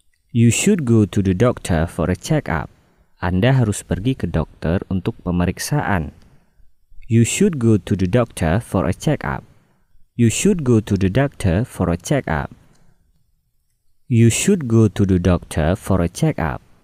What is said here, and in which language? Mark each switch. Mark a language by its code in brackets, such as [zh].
[en] You should go to the doctor for a check-up. [id] Anda harus pergi ke dokter untuk pemeriksaan. [en] You should go to the doctor for a check-up. You should go to the doctor for a check-up. You should go to the doctor for a check-up.